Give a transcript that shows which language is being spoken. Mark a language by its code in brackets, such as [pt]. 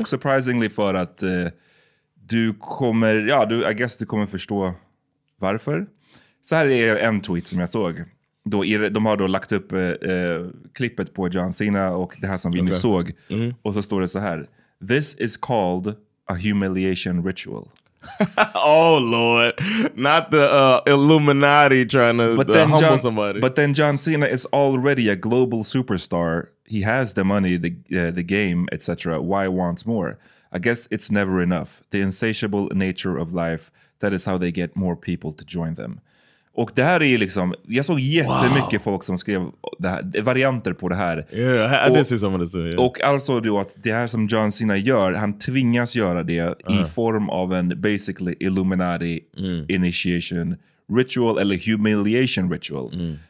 [sv] Och surprisingly för att [en] I guess [sv] du kommer förstå varför. Så här är en tweet som jag såg. Då de har då lagt upp klippet på John Cena och det här som vi nu såg. Och så står det så här: [en] this is called a humiliation ritual. Oh lord, not the Illuminati trying to humble somebody. But then John Cena is already a global superstar. He has the money, the game, etc. Why want more? I guess it's never enough. The insatiable nature of life, that is how they get more people to join them. [sv] Och det här är liksom, jag såg jättemycket folk som skrev det här, varianter på det här. [en] Yeah, I did see some of this. Yeah. [sv] Och alltså då att det här som John Cena gör, han tvingas göra det i form av en basically Illuminati initiation ritual eller humiliation ritual.